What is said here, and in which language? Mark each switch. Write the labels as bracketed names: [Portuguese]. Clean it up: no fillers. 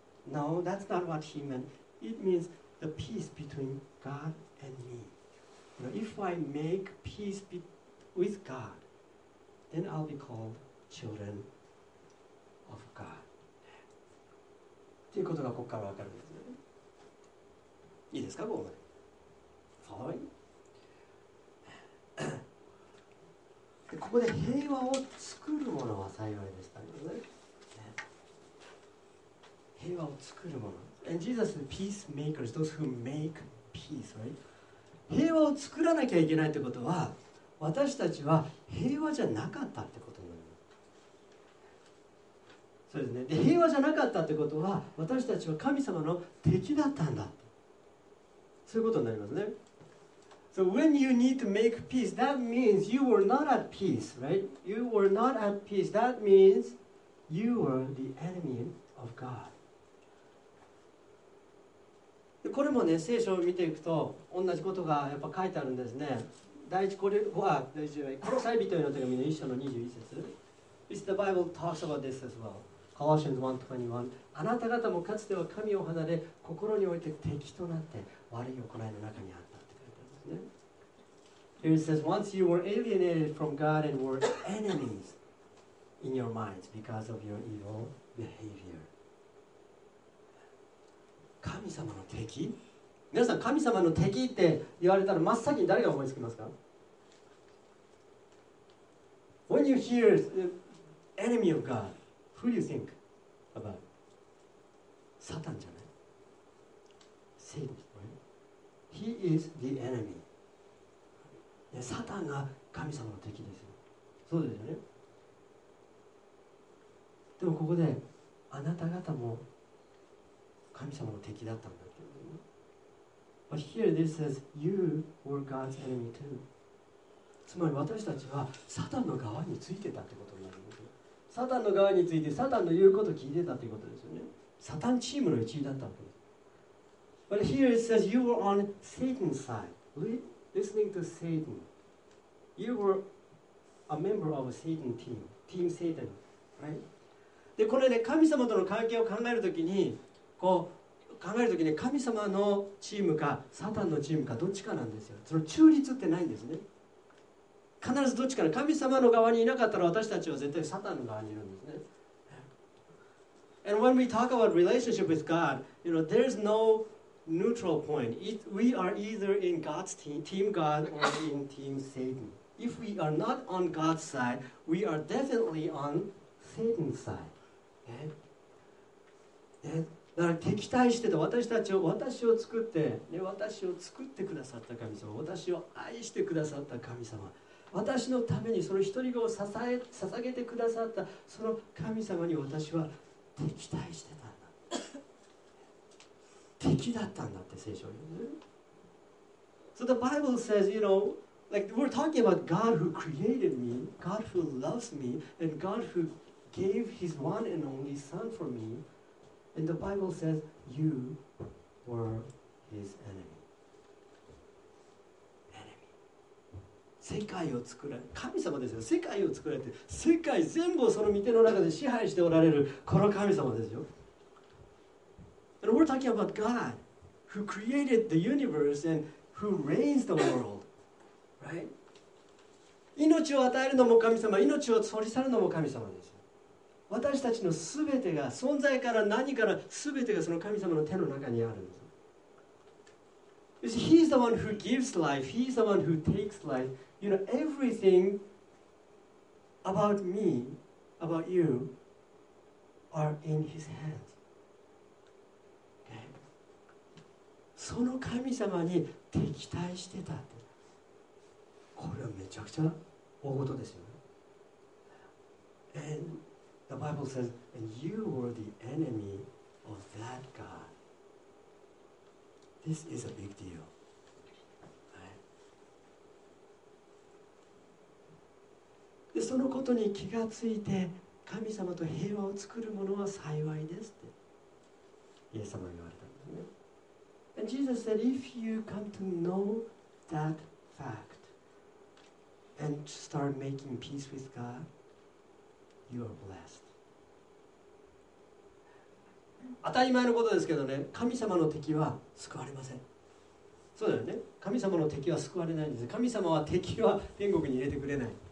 [English] No, that's not what he meant. It means the peace between God and me. You know, if I make peace with God, then I'll be called children of God. [Japanese] っていうことがここからわかるんですね。いいですか、ここまで。 [English] Following? [Japanese] で、ここで平和を作るものは幸いでしたけどね。平和を作るもの。 [English] And Jesus is peacemakers, those who make peace, right? [Japanese] 平和を作らなきゃいけないってことは、私たちは平和じゃなかったってことになる。そうですね。で、平和じゃなかったってことは、私たちは神様の敵だったんだ。そういうことになりますね。 [English] So when you need to make peace, that means you were not at peace, right? You were not at peace. That means you were the enemy of God. [Japanese] これもね、聖書を見ていくと同じことがやっぱ書いてあるんですね。第一コリントは、コロサイ人への手紙の一章の21節。 [English] It's the Bible talks about this as well. Colossians 1:21. [Japanese] あなた方もかつては神を離れ、心において敵となって悪い行いの中にあったって書いてあるんですね。 [English] It says, once you were alienated from God and were enemies in your minds because of your evil behavior. [Japanese] 神様の敵？皆さん、神様の敵って言われたら真っ先に誰が思いつきますか？ When you hear the enemy of God, who do you think about? サタンじゃない？セイトン、 [English] right? He is the enemy. [Japanese] で、サタンが神様の敵ですよ。そうですよね。でもここで、あなた方も神様の敵だったんだけど、ね、 [English] But here this says you were God's enemy too. [Japanese] つまり私たちはサタンの側についてたってことになるんですよ。サタンの側についてサタンの言うことを聞いてたということですよね。サタンチームの一員だったわけです。 [English] But here it says you were on Satan's side, listening to Satan. You were a member of a Satan team, Team Satan, right? [Japanese] で、これで、ね、神様との関係を考えるときに。こう考えるときに神様のチームかサタンのチームかどっちかなんですよ。その中立ってないんですね。必ずどっちかな。神様の側にいなかったら私たちは絶対サタンの側にいるんですね。 [English] And when we talk about relationship with God, you know, there's no neutral point. We are either in God's team, Team God, or in Team Satan. If we are not on God's side, we are definitely on Satan's side. [Japanese] だから敵対してて私たちを私を作って、ね、私を作ってくださった神様、私を愛してくださった神様、私のためにその一人子を捧げてくださったその神様に私は敵対してたんだ。敵だったんだって聖書に、ね。 [English] So the Bible says, you know, like we're talking about God who created me, God who loves me, and God who gave His one and only Son for me. And the Bible says, you were his enemy. [Japanese] 世界を作られ、神様ですよ。世界を作られて、世界全部をその御手の中で支配しておられるこの神様ですよ。 [English] And we're talking about God, who created the universe and who reigns the world, right? [Japanese] 命を与えるのも神様、命を取り去るのも神様です。私たちのすべてが、存在から何から、すべてがその神様の手の中にあるんです。 [English] You see, He's the one who gives life, He's the one who takes life. You know, everything about me, about you, are in His hands. [Japanese] その神様に敵対してたって、これはめちゃくちゃ大事ですよね。 [English] And the Bible says, and you were the enemy of that God. This is a big deal.、Right? [Japanese] でそのことに気がついて、神様と平和を作る者は幸いですってイエス様が言われたんですね。 [English] And Jesus said, if you come to know that fact and start making peace with God, you are blessed. [Japanese] 当たり前のことですけどね、神様の敵は救われません。そうだよね。神様の敵は救われないんです。神様は敵は天国に入れてくれない。